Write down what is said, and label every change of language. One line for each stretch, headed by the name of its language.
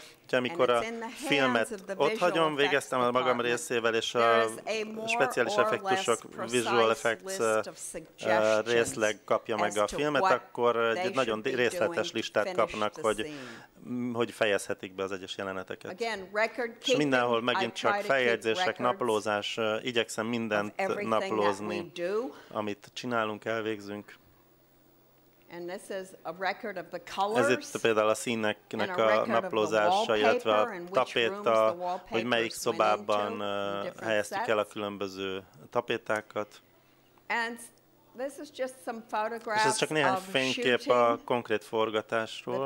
Hungarian: Amikor a filmet ott hagyom, végeztem a magam részével, és a speciális effektusok, visual effects részleg kapja meg a filmet, akkor egy nagyon részletes listát kapnak, hogy fejezhetik be az egyes jeleneteket. És mindenhol megint csak feljegyzések, naplózás, igyekszem mindent naplózni, amit csinálunk, elvégzünk.
English: And this is a record of the colors.
Hungarian: Ez itt például a színeknek a naplózása, illetve a tapéta, hogy melyik szobában helyeztük el a különböző tapétákat.
English: This is just some photographs.
Hungarian: És ez csak néhány fénykép a konkrét forgatásról.